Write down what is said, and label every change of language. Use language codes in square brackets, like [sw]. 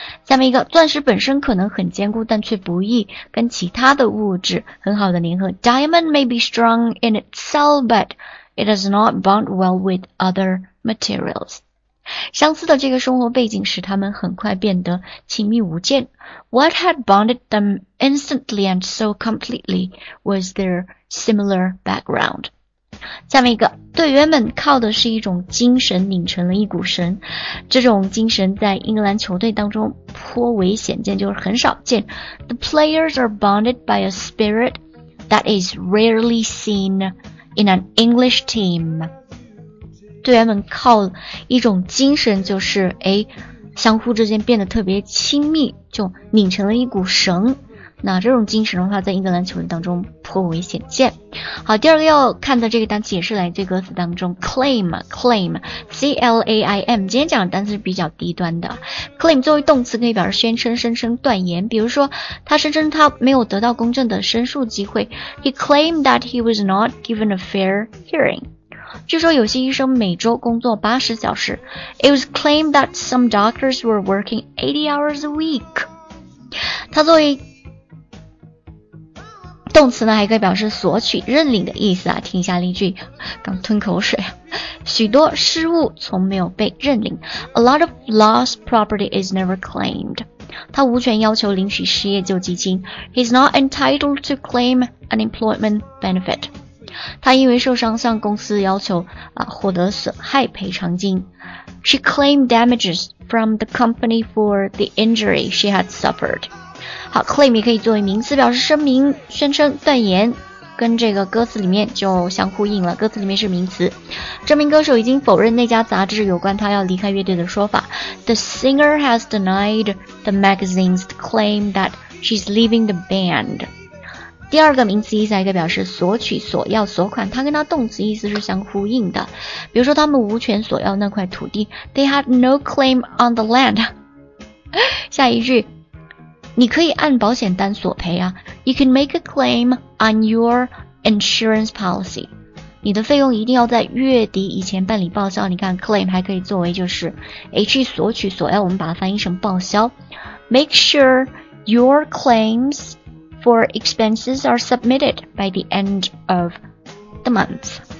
[zh] 下面一个，钻石本身可能很坚固，但却不易跟其他的物质很好的联合， [en] Diamond may be strong in itself but it does not bond well with other materials， [zh] 相似的这个生活背景使他们很快变得亲密无间。 [en] What had bonded them instantly and so completely was their similar background. [zh] 下面一个，队员们靠的是一种精神拧成了一股绳，这种精神在英格兰球队当中颇为显见，就是很少见。 [en] The players are bonded by a spirit that is rarely seen in an English team. [zh] 队员们靠一种精神，就是相互之间变得特别亲密，就拧成了一股绳。那这种精神的话在英格兰球员当中颇为显见。好，第二个要看的这个单词也是来自歌词当中 claim,claim,C-L-A-I-M, 今天讲的单词是比较低端的。 claim 作为动词可以表示宣称、声称、断言，比如说他声称他没有得到公正的申诉机会。 [en] He claimed that he was not given a fair hearing. [zh] 据说有些医生每周工作80小时。 [en] It was claimed that some doctors were working 80 hours a week. [zh] 它作为动词呢，还可以表示索取、认领的意思啊。听一下例句，刚吞口水。许多失物从没有被认领。 [en] A lot of lost property is never claimed. [zh] 他无权要求领取失业救济金。 [en] He's not entitled to claim unemployment benefit. [zh] 他因为受伤向公司要求获得损害赔偿金。 [en] She claimed damages from the company for the injury she had suffered. [zh] 好， claim 也可以作为名词表示声明、宣称、断言，跟这个歌词里面就相呼应了。歌词里面是名词。这名歌手已经否认那家杂志有关他要离开乐队的说法。 [en] The singer has denied the magazine's claim that she's leaving the band. [zh] 第二个名词意思，一个表示索取、索要、索款，它跟它动词意思是相呼应的。比如说，他们无权索要那块土地 ， [en] They had no claim on the land。 [zh] 下一句，你可以按保险单索赔啊 ， [en] You can make a claim on your insurance policy。 [zh] 你的费用一定要在月底以前办理报销。你看 ，claim 还可以作为就是 去索取、索要，我们把它翻译成报销。 [en] Make sure your claims. For expenses are submitted by the end of the month.